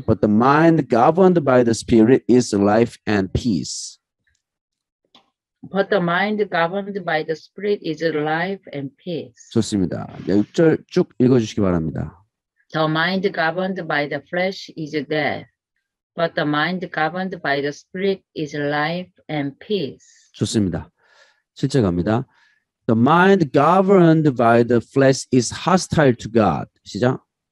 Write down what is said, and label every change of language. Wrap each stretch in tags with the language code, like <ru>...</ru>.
<en>But the mind governed by the spirit is life and peace. But the mind governed by the spirit is life and peace.</en> <ko>좋습니다. 네, 6절 쭉 읽어주시기 바랍니다.</ko> <en>The mind governed by the flesh is death, but the mind governed by the spirit is life and peace.</en> <ko>좋습니다. 7절 갑니다.</ko> <en>The mind governed by the flesh is hostile to God.</en> <ko>시작.</ko>